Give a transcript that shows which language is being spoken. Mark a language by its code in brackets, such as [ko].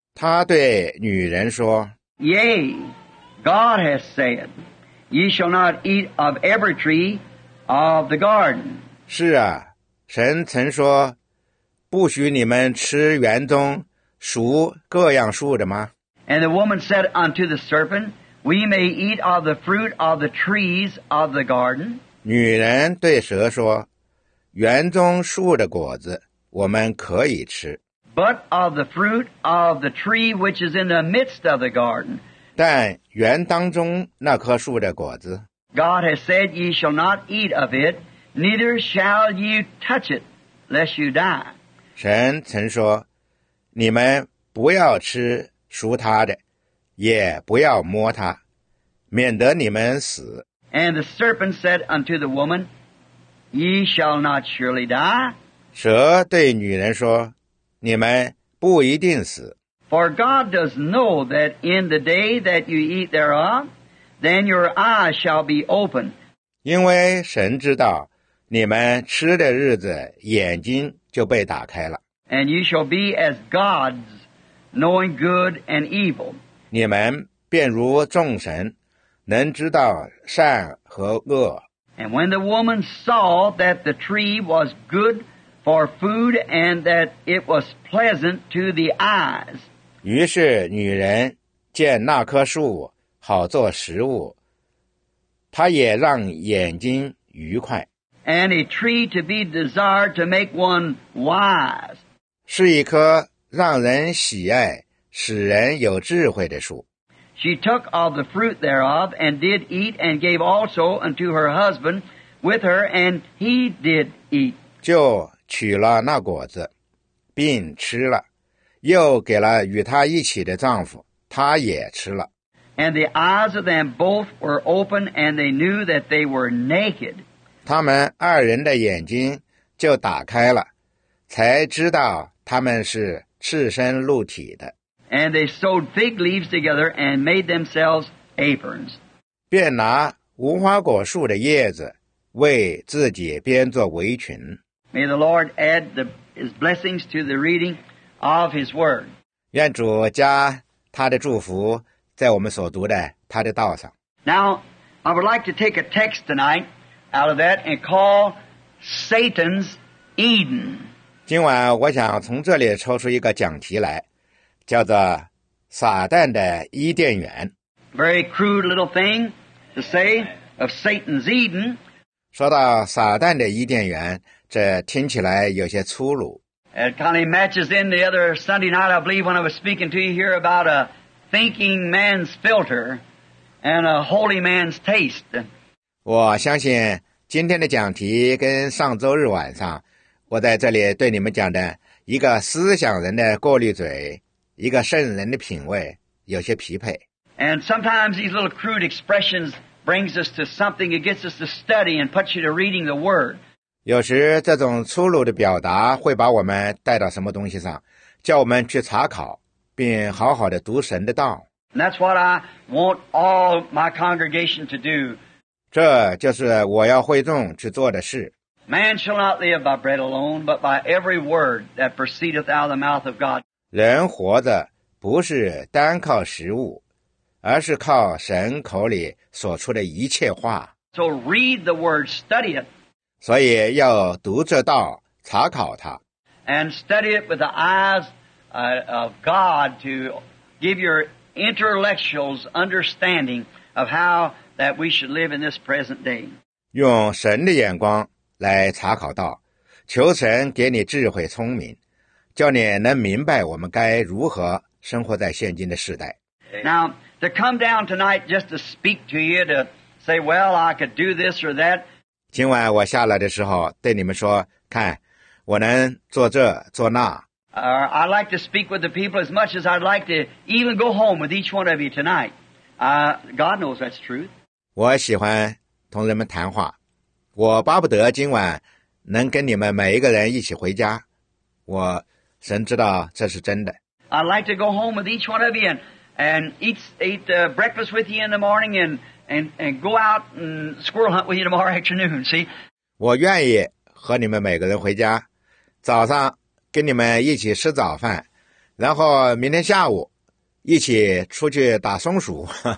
[zh] 他对女人说， [en] Yea, God has said, ye shall not eat of every tree of the garden. [zh] 是啊，神曾说，不许你们吃园中属各样树的吗？ [en] And the woman said unto the serpent, we may eat of the fruit of the trees of the garden. [zh] 女人对蛇说，园中树的果子我们可以吃。 [en] But of the fruit of the tree which is in the midst of the garden. [zh] 但园当中那棵树的果子， [en] God has said ye shall not eat of it, neither shall ye touch it, lest you die. [zh] 神曾说，你们不要吃属他的，也不要摸他，免得你们死。 [en] And the serpent said unto the woman, ye shall not surely die. [zh] 蛇对女人说，你们不一定死。 [en] For God does know that in the day that you eat thereof, then your eyes shall be open. [zh] 因为神知道，你们吃的日子，眼睛就被打开了。 [en] And you shall be as gods, knowing good and evil. [zh] 你们便如众神，能知道善和恶。 [en] And when the woman saw that the tree was good for food and that it was pleasant to the eyes. [zh] 于是女人见那棵树好做食物，她也让眼睛愉快。 [en] And a tree to be desired to make one wise. [zh] 是一棵让人喜爱，使人有智慧的树。 [en] She took of the fruit thereof, and did eat, and gave also unto her husband with her, and he did eat. [zh] 就取了那果子，并吃了，又给了与他一起的丈夫，他也吃了。 [en] And the eyes of them both were open, and they knew that they were naked. [zh] 他们二人的眼睛就打开了，才知道他们是赤身露体的。 [en] And they sewed fig leaves together and made themselves aprons. [zh] 便拿无花果树的叶子为自己编作围裙。 [en] May the Lord add his blessings to the reading of his word. [zh] 愿主加他的祝福在我们所读的他的道上。 [en] Now, I would like to take a text tonight out of that and call Satan's Eden. [zh] 今晚我想从这里抽出一个讲题来，叫做撒旦的伊甸园。 [en] Very crude little thing to say of Satan's Eden. [zh] 说到撒旦的伊甸园，这听起来有些粗鲁。 [en] It kind of matches in the other Sunday night, I believe, when I was speaking to you here about a thinking man's filter and a holy man's taste. [zh] 我相信今天的讲题跟上周日晚上我在这里对你们讲的一个思想人的过滤嘴，一个圣人的品味有些匹配。 [en] And sometimes these little crude expressions brings us to something that gets us to study and puts you to reading the word. [zh] 有时这种粗鲁的表达会把我们带到什么东西上，叫我们去查考并好好的读神的道。 [en] And that's what I want all my congregation to do. [zh] 这就是我要会众去做的事。 [en] Man shall not live by bread alone, but by every word that proceedeth out of the mouth of God. [zh] 人活着不是单靠食物，而是靠神口里所出的一切话。 [en] So read the word, study it. [zh] 所以要读这道，查考它。 [en] And study it with the eyes of God to give your intellectuals understanding of how that we should live in this present day. [zh] 用神的眼光来查考道，求神给你智慧聪明，叫你能明白我们该如何生活在现今的时代。 [en] Now, to come down tonight just to speak to you to say, well, I could do this or that. [zh] 今晚我下来的时候对你们说，看，我能做这做那。 [en] I'd like to speak with the people as much as I'd like to even go home with each one of you tonight. God knows that's truth. [zh] 我喜欢同人们谈话，我巴不得今晚能跟你们每一个人一起回家，我神知道这是真的。 [en] I'd like to go home with each one of you and eat breakfast with you in the morning and go out and squirrel hunt with you tomorrow afternoon. See, [zh] 我愿意和你们每个人回家，早上跟你们一起吃早饭，然后明天下午一起出去打松鼠。